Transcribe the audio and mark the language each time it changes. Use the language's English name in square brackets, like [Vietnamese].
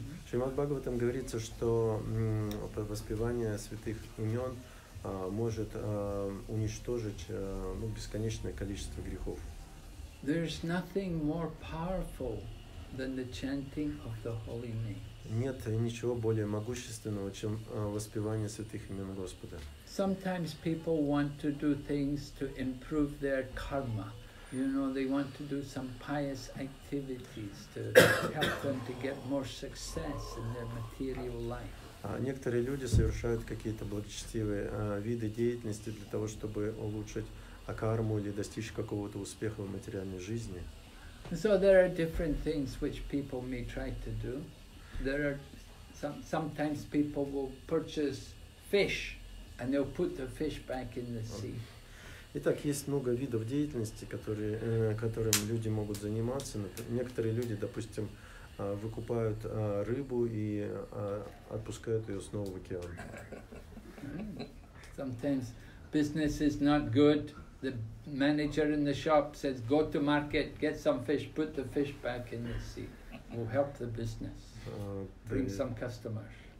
[Russian] Шримад Бхагаватам говорится, что воспевание святых имен может уничтожить бесконечное количество грехов. [English] There's nothing more powerful than the chanting of the holy name. [Russian] Нет ничего более могущественного, чем воспевание святых имен Господа. [English] Sometimes people want to do things to improve their karma. You know, they want to do some pious activities to help them to get more success in their material life. [Russian] Некоторые люди совершают какие-то благочестивые виды деятельности для того, чтобы улучшить карму или достичь какого-то успеха в материальной жизни. [English] So there are different things which people may try to do. There are sometimes people will purchase fish and they'll put the fish back in the sea. [Russian] Итак, есть много видов деятельности, которым люди могут заниматься. Некоторые люди, допустим, выкупают рыбу и отпускают ее снова в океан. [English] Sometimes business is not good. The manager in the shop says, go to market, get some fish, put the fish back in the sea. will help the business, bring some customers.